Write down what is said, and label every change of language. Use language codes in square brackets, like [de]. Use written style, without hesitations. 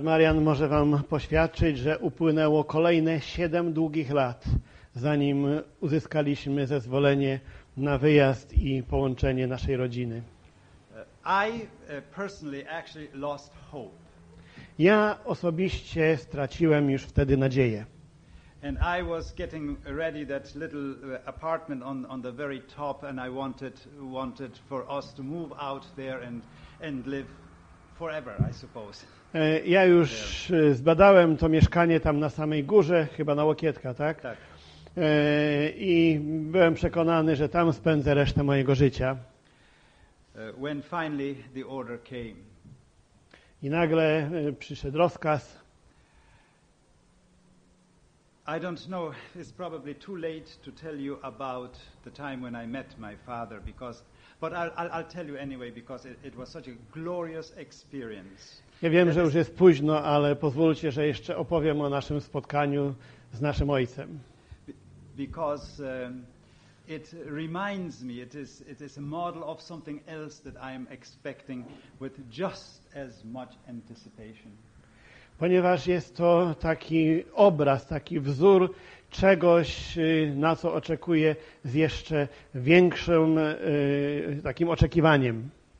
[en] Brother [pl] Marian może wam poświadczyć, że upłynęło kolejne 7 długich lat, zanim uzyskaliśmy zezwolenie na wyjazd i połączenie naszej rodziny. [en] I personally actually lost hope. [pl] Ja osobiście straciłem już wtedy nadzieję. [en] And I was getting ready that little apartment on the very top and I wanted for us to move out there and live forever, I suppose. [pl] Ja już zbadałem to mieszkanie tam na samej górze, chyba na Łokietka, tak? Tak. I byłem przekonany, że tam spędzę resztę mojego życia. [en] When finally the order came. [pl] I nagle przyszedł rozkaz. [en] I don't know, it's probably too late to tell you about the time when I met my father because but I'll tell you anyway because it was such a glorious experience. [pl] Ja wiem, że już jest późno, ale pozwólcie, że jeszcze opowiem o naszym spotkaniu z naszym ojcem. [en] Because it reminds me, it is a model of something else that I am expecting with just as much anticipation. [pl] Ponieważ jest to taki obraz, taki wzór czegoś, na co oczekuję z jeszcze większym takim oczekiwaniem.